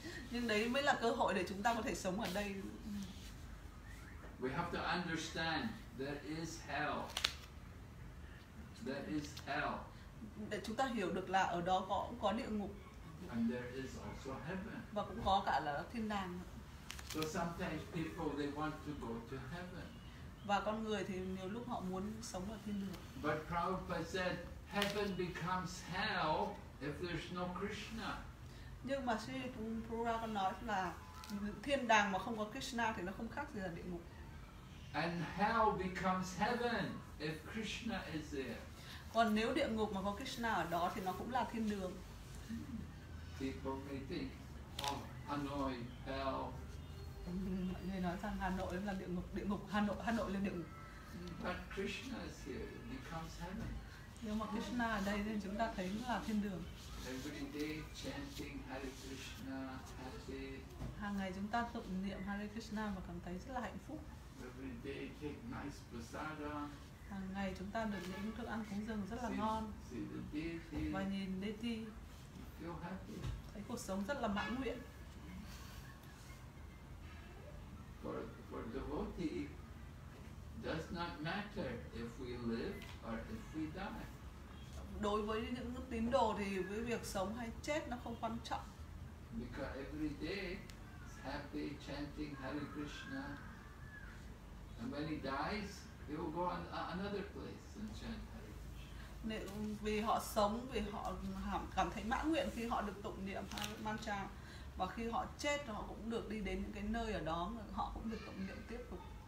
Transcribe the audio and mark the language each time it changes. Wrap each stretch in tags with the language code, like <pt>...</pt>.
<vi>Nhưng đấy mới là cơ hội để chúng ta có thể sống ở đây.</vi> <en>We have to understand there is hell. There is hell.</en> <vi>Để chúng ta hiểu được là ở đó có địa ngục.</vi> <en>And there is also heaven.</en> <vi>Và cũng có cả là thiên đàng.</vi> <en>So sometimes people they want to go to heaven.</en> <vi>Và con người thì nhiều lúc họ muốn sống ở thiên đường.</vi> <en>But Prabhupada said heaven becomes hell if there's no Krishna.</en> <vi>Nhưng mà Sri Prabhupada nói là thiên đàng mà không có Krishna thì nó không khác gì là địa ngục.</vi> <en>And hell becomes heaven if Krishna is there.</en> <vi>Còn nếu địa ngục mà có Krishna ở đó thì nó cũng là thiên đường.</vi> <en>People may think of Hanoi hell.</en> <vi>Mọi người nói rằng Hà Nội là địa ngục Hà Nội là địa ngục.</vi> <en>But Krishna is here, it becomes heaven.</en> <vi>Nhưng mà Krishna ở đây nên chúng ta thấy nó là thiên đường.</vi> <en>Every day chanting Hare Krishna, happy.</en> <vi>Hàng ngày chúng ta tụng niệm Hare Krishna mà cảm thấy rất là hạnh phúc.</vi> <en>Every day take nice prasada.</en> <vi>Hàng ngày chúng ta được những thức ăn cúng dường rất là ngon. Và nhìn deity.</vi> <en>Feel happy.</en> <vi>Thấy cuộc sống rất là mãn nguyện.</vi> <en>For devotee, does not matter if we live or if we die.</en> <vi>Đối với những tín đồ thì với việc sống hay chết nó không quan trọng.</vi> <en>Because every day is happy chanting Hare Krishna. And when he dies, he will go on another place and chant Hare Krishna.</en> <vi>Vì họ sống, vì họ cảm thấy mãn nguyện khi họ được tụng niệm mantra. Và khi họ chết, họ cũng được đi đến những cái nơi ở đó, họ cũng được tụng niệm tiếp tục.</vi>